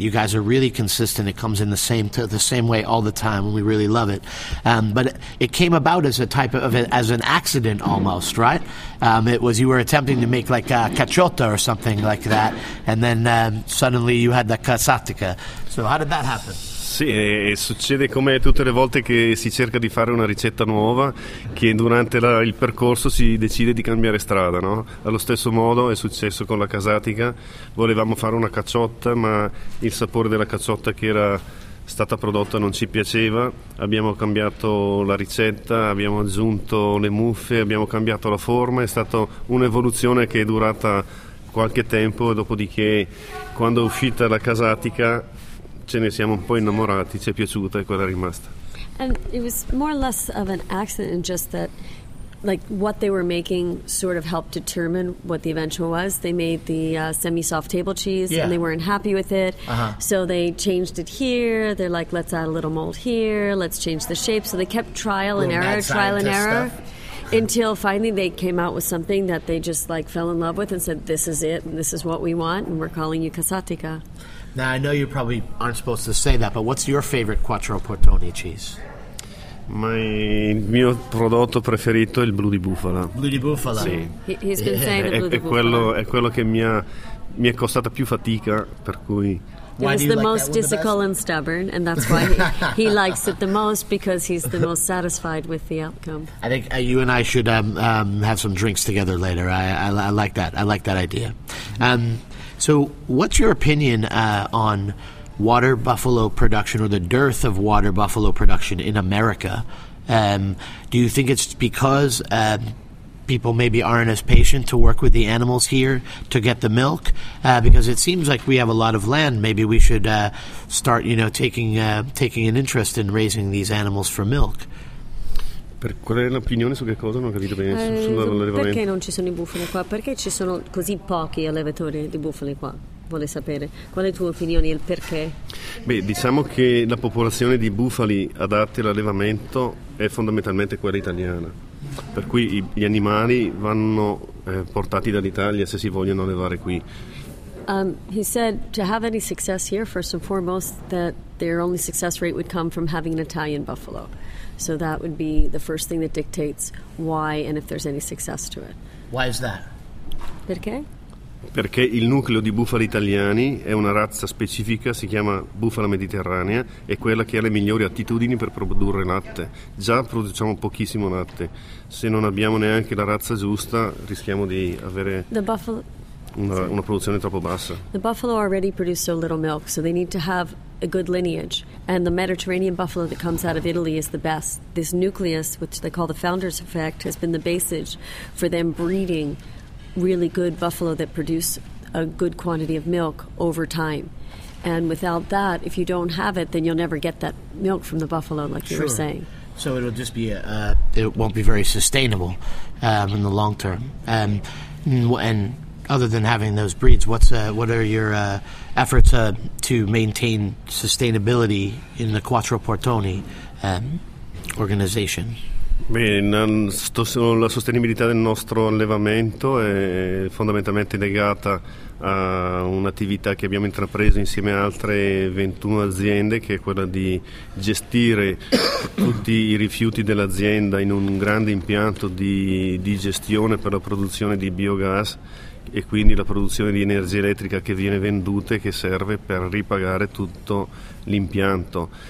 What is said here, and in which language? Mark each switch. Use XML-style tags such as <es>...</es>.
<en>You guys are really consistent. It comes in the same way all the time, and we really love it. But it came about as a type of as an accident almost, right? It was you were attempting to make like a cacciotto or something like that, and then suddenly you had the Casatica. So how did that happen?</en> <it>Sì, e succede come tutte le volte che si cerca di fare una ricetta nuova, che durante il percorso si decide di cambiare strada, no? Allo stesso modo è successo con la Casatica, volevamo fare una caciotta, ma il sapore della caciotta che era stata prodotta non ci piaceva, abbiamo cambiato la ricetta, abbiamo aggiunto le muffe, abbiamo cambiato la forma, è stata un'evoluzione che è durata qualche tempo, dopodiché quando è uscita la Casatica ce ne siamo un po' innamorati, ci è piaciuta e quella è rimasta.</it> <en>And it was more or less of an accident, just that, like, what they were making sort of helped determine what the eventual was. They made the semi-soft table cheese, yeah. and they weren't happy with it. Uh-huh. So they changed it here. They're like, let's add a little mold here. Let's change the shape. So they kept trial and error. Until finally they came out with something that they just, like, fell in love with and said, this is it, and this is what we want, and we're calling you Casatica. Now, I know you probably aren't supposed to say that, but what's your favorite quattro portoni cheese?</en> <it>Il mio prodotto preferito è il blu di bufala. Blu di bufala? Sì.</it> <en>He's been saying the blu di bufala.</en> <it>È quello che mi è costata più fatica, per cui...</it> <en>He was the most difficult and stubborn, and that's why he likes it the most, because he's the most satisfied with the outcome. I think you and I should have some drinks together later. I like that. I like that idea. So what's your opinion on water buffalo production, or the dearth of water buffalo production in America? Do you think it's because people maybe aren't as patient to work with the animals here to get the milk? Because it seems like we have a lot of land. Maybe we should start, you know, taking an interest in raising these animals for milk.</en> <it>Per qual è l'opinione su che cosa? Non ho capito bene. Sull'allevamento. Perché non ci sono i bufali qua? Perché ci sono così pochi allevatori di bufali qua? Vuole sapere. Qual è la tua opinione e il perché? Beh, diciamo che la popolazione di bufali adatti all'allevamento è fondamentalmente quella italiana. Per cui gli animali vanno portati dall'Italia se si vogliono allevare qui.</it> <en>He said to have any success here, first and foremost, that their only success rate would come from having an Italian buffalo. So that would be the first thing that dictates why and if there's any success to it. Why is that?</en> <it>Perché? Perché il nucleo di bufali italiani è una razza specifica, si chiama bufala mediterranea, è quella che ha le migliori attitudini per produrre latte. Già produciamo pochissimo latte. Se non abbiamo neanche la razza giusta, rischiamo di avere una produzione troppo bassa.</it> <en>The buffalo already produce so little milk, so they need to have a good lineage, and the Mediterranean buffalo that comes out of Italy is the best. This nucleus, which they call the founder's effect, has been the basis for them breeding really good buffalo that produce a good quantity of milk over time. And without that, if you don't have it, then you'll never get that milk from the buffalo, like sure. you were saying. So it'll just be it won't be very sustainable in the long term. And other than having those breeds, what are your efforts to maintain sustainability in the Quattro Portoni organization?</en> <it>La sostenibilità del nostro allevamento è fondamentalmente legata a un'attività che abbiamo intrapreso insieme a altre 21 aziende, che è quella di gestire tutti i rifiuti dell'azienda in un grande impianto di gestione per la produzione di biogas, e quindi la produzione di energia elettrica che viene venduta e che serve per ripagare tutto l'impianto.</it>